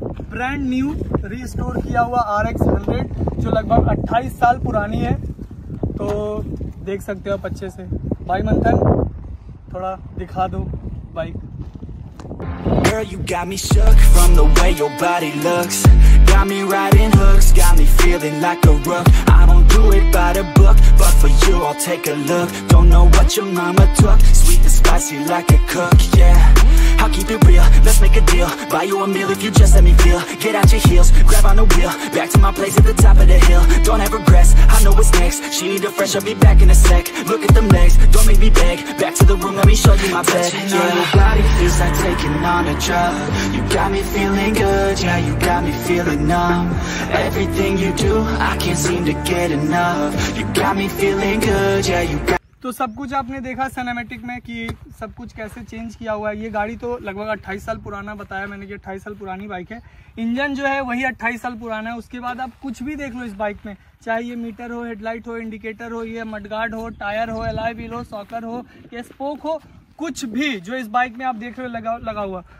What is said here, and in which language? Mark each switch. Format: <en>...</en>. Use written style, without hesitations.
<hi>Brand new restore किया हुआ RX 100 जो लगभग 28 साल पुरानी है। तो देख सकते हो आप अच्छे से। भाई मंथन, थोड़ा दिखा दो bike.</hi> <en>Girl, you got me shook from the way your body looks. Got me riding hooks, got me feeling like a rook. I don't do it by the book, but for you I'll take a look. Don't know what your mama took, sweet and spicy like a cook, yeah. I'll keep it real, let's make a deal. Buy you a meal if you just let me feel. Get out your heels, grab on the wheel. Back to my place at the top of the hill. Don't have regrets, I know what's next. She need a fresh, I'll be back in a sec. Look at them legs, don't make me beg. Back to the room, let me show you my bed. Touching on your body feels like taking on a drug. You got me feeling good, yeah, you got me feeling numb. Everything you do, I can't seem to get enough. You got me feeling good, yeah, you got.</en> <hi>तो सब कुछ आपने देखा cinematic में कि सब कुछ कैसे चेंज किया हुआ है। ये गाड़ी तो लगभग 28 साल पुराना बताया मैंने कि 28 साल पुरानी बाइक है। इंजन जो है वही 28 साल पुराना है। उसके बाद आप कुछ भी देख लो इस बाइक में, चाहे ये मीटर हो, हेडलाइट हो, इंडिकेटर हो, ये मडगार्ड हो, टायर हो, अलॉय व्हील हो, शॉकर हो, ये स्पोक हो, कुछ भी जो इस बाइक में आप देख रहे हो लगा हुआ।</hi>